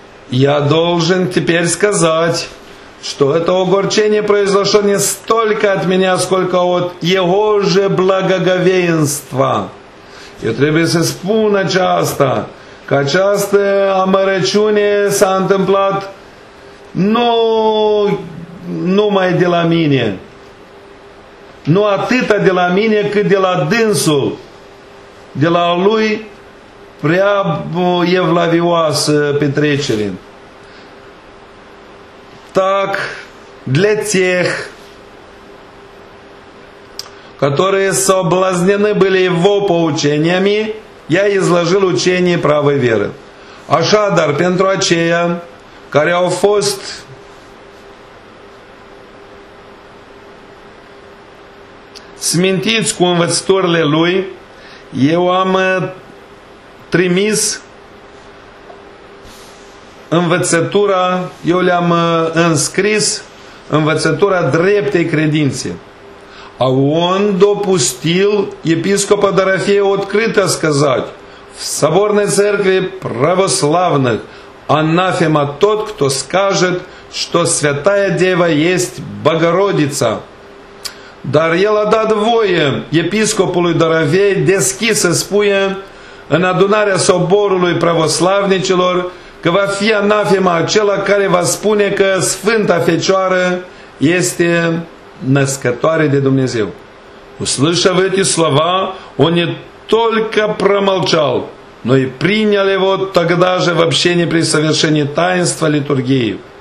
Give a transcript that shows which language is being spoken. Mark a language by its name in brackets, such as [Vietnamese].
[Russian] Я должен теперь сказать, что это огорчение произошло не столько от меня, сколько от его же благоговейства. [Romanian] Eu trebuie să spun aceasta, că această amărăciune s-a întâmplat nu numai de la mine, nu atâta de la mine, cât de la dânsul, de la lui prea evlavioasă petrecere. [Russian] Так, для тех, которые соблазнены были его поучениями, я изложил учение правой веры. [Romanian] Ашадар, pentru aceia care au fost смintiți cu învățăturile lui, eu am trimis învățătura, eu le-am înscris învățătura dreptei credințe. [Russian] А он допустил епископа Дорофея открыто сказать в соборной церкви православных анафема тот, кто скажет, что святая Дева есть Богородица. [Romanian] Dar el a dat voie episcopului Dorofei deschis să spuie în adunarea soborului pravoslavnicilor că va fi anafema acela care va spune că Sfânta Fecioară este Născătoare de Dumnezeu. [Russian] Услышав эти слова, он не только промолчал, но и принял его тогда же в общении при совершении таинства литургии.